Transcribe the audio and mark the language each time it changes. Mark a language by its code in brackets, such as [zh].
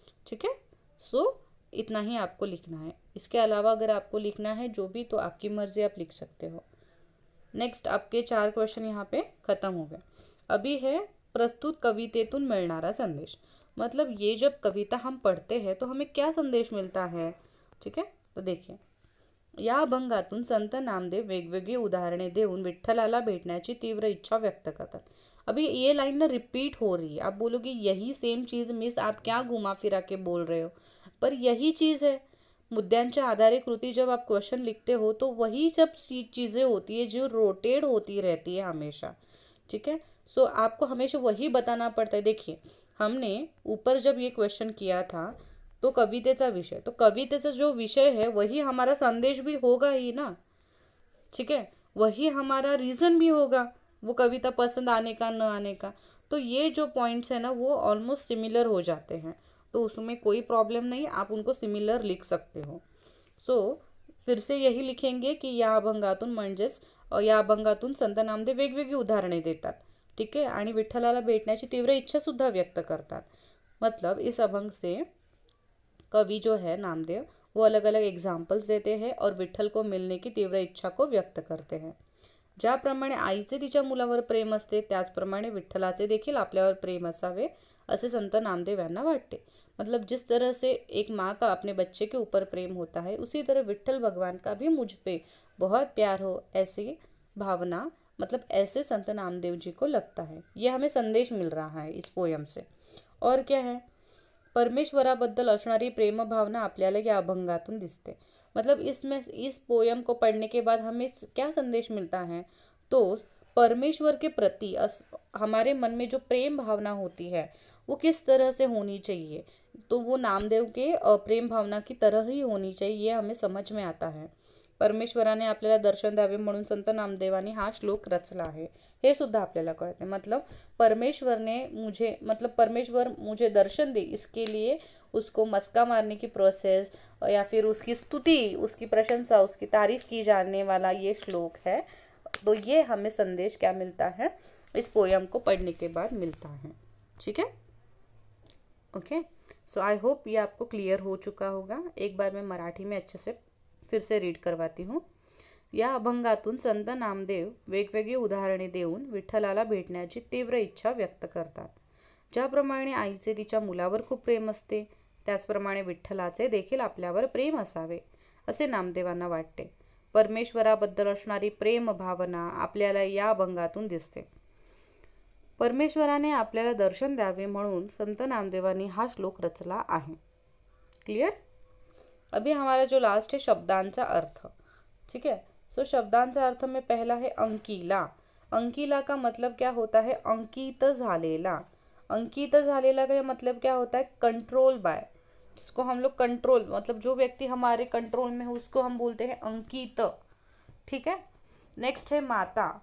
[hi] ठीक है, सो इतना ही आपको लिखना है, इसके अलावा अगर आपको लिखना है जो भी तो आपकी मर्जी, आप लिख सकते हो। नेक्स्ट, आपके चार क्वेश्चन यहाँ पे खत्म हो गए। अभी है [mr] प्रस्तुत कवितेतुन मिलनारा संदेश, [hi] मतलब ये जब कविता हम पढ़ते हैं तो हमें क्या संदेश मिलता है। ठीक है, तो देखिए, [mr] या अभंगातून संत नामदेव वेगवेगळी उदाहरणे देऊन विठ्ठलाला भेटण्याची तीव्र इच्छा व्यक्त करतात। [hi] अभी ये लाइन ना रिपीट हो रही है, आप बोलोगे यही सेम चीज मिस आप क्या घुमा फिरा के बोल रहे हो, पर यही चीज है, [mr] मुद्यांच्या आधारे कृती [hi] जब आप क्वेश्चन लिखते हो तो वही सब चीजें होती है जो रोटेट होती रहती है हमेशा। ठीक है, सो आपको हमेशा वही बताना पड़ता है। देखिए हमने ऊपर जब ये क्वेश्चन किया था तो [mr] कवितेचा विषय, तो कवितेचा [hi] जो विषय है वही हमारा संदेश भी होगा ही ना। ठीक है, वही हमारा रीजन भी होगा वो कविता पसंद आने का न आने का, तो ये जो पॉइंट्स है ना वो ऑलमोस्ट सिमिलर हो जाते हैं, तो उसमें कोई प्रॉब्लम नहीं, आप उनको सिमिलर लिख सकते हो। [mr] फिर से यही लिखेंगे कि या अभंगातून म्हणजेच या अभंगातून संत नामदेव वेगवेगळी उदाहरणे देतात, ठीक आहे, आणि विठ्ठलाला भेटण्याची तीव्र इच्छा सुद्धा व्यक्त करतात. [hi] मतलब इस अभंग से कवि जो है नामदेव वो अलग अलग एग्जाम्पल्स देते हैं और विठ्ठल को मिलने की तीव्र इच्छा को व्यक्त करते हैं. [mr] ज्याप्रमाणे आईचे तिच्या मुलावर प्रेम असते त्याचप्रमाणे विठ्ठलाचे देखील आपल्यावर प्रेम असावे असे संत नामदेव यांना वाटते. [hi] मतलब जिस तरह से एक माँ का अपने बच्चे के ऊपर प्रेम होता है उसी तरह विठ्ठल भगवान का भी मुझ पे बहुत प्यार हो, ऐसी भावना मतलब ऐसे संत नामदेव जी को लगता है. ये हमें संदेश मिल रहा है इस पोयम से. और क्या है, [mr] परमेश्वराबद्दल असणारी प्रेम भावना आपल्याला या अभंगातून दिसते. [hi] मतलब इसमें इस पोयम को पढ़ने के बाद हमें क्या संदेश मिलता है, तो परमेश्वर के प्रति हमारे मन में जो प्रेम भावना होती है वो किस तरह से होनी चाहिए, तो वो नामदेव के प्रेम भावना की तरह ही होनी चाहिए, ये हमें समझ में आता है. [mr] परमेश्वराने आपल्याला दर्शन द्यावे म्हणून संत नामदेवांनी हा श्लोक रचला आहे हे सुद्धा आपल्याला कळते. [hi] मतलब परमेश्वरने मुझे मतलब परमेश्वर मुझे दर्शन दे इसके लिए उसको मस्का मारने की प्रोसेस या फिर उसकी स्तुति, उसकी प्रशंसा, उसकी तारीफ की जाने वाला ये श्लोक है. तो ये हमें संदेश क्या मिलता है इस पोयम को पढ़ने के बाद मिलता है, ठीक है. ओके, सो आई होप ये आपको क्लियर हो चुका होगा. एक बार मैं मराठी में अच्छे से फिर से रीड करवाती हूँ. [mr] या अभंगातून संत नामदेव वेगवेगळी उदाहरणे देऊन विठ्ठलाला भेटण्याची तीव्र इच्छा व्यक्त करतात. ज्याप्रमाणे आईचे तिच्या मुलावर खूप प्रेम असते त्याचप्रमाणे विठ्ठलाचे देखील आपल्यावर प्रेम असावे असे नामदेवांना वाटते. परमेश्वराबद्दल असणारी प्रेम भावना आपल्याला या अभंगातून दिसते. परमेश्वराने आपल्याला दर्शन द्यावे म्हणून संत नामदेवांनी हा श्लोक रचला आहे. [en] Clear? [hi] अभी हमारा जो लास्ट है [mr] शब्दांचा अर्थ, [hi] ठीक है. [mr] शब्दांचा अर्थ [hi] में पहला है अंकिला. अंकिला का मतलब क्या होता है, [mr] अंकित झालेला. अंकित झालेला [hi] का मतलब क्या होता है, कंट्रोल बाय, जिसको हम लोग कंट्रोल मतलब जो व्यक्ति हमारे कंट्रोल में हो उसको हम बोलते हैं अंकित, ठीक है. नेक्स्ट है माता.